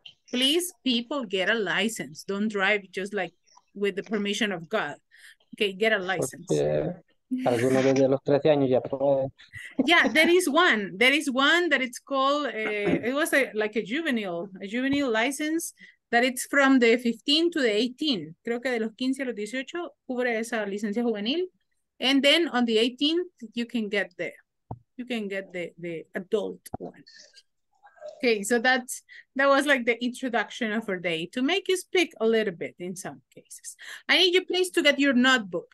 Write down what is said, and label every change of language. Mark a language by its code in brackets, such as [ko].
[en] Please, people, get a license. Don't drive just like with the permission of God. Okay, get a license. Yeah. [es] Algunos desde los 13 años ya pueden. [en] Yeah, there is one. There is one that it's called, it was a, like a juvenile license, that it's from the 15 to the 18. [es] Creo que de los 15 a los 18 cubre esa licencia juvenil. [en] And then on the 18th, you can get the, you can get the adult one. Okay, so that's, that was like the introduction of our day to make you speak a little bit in some cases. I need you please to get your notebook.